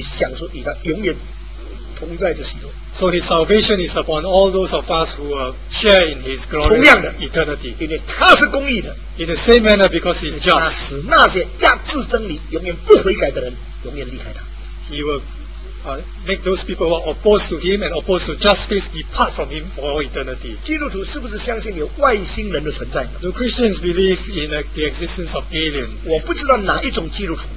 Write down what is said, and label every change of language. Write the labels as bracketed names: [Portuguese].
[Chinese] 所以他救赎的功能使那些得救的人可以享受与他永远同在的喜乐。 [English] So His salvation is upon all those of us who are share in His glory. [Chinese] 同样的, [English] eternity. [Chinese] 因为他是公义的, [English] in the same manner, because He is just. [Chinese] 他使那些压制真理永远不悔改的人永远离开他。 [English] He will make those people who are opposed to Him and opposed to justice depart from Him for all eternity. [Chinese] 基督徒是不是相信有外星人的存在呢？ [English] Do Christians believe in the existence of aliens? [Chinese] 我不知道哪一种基督徒。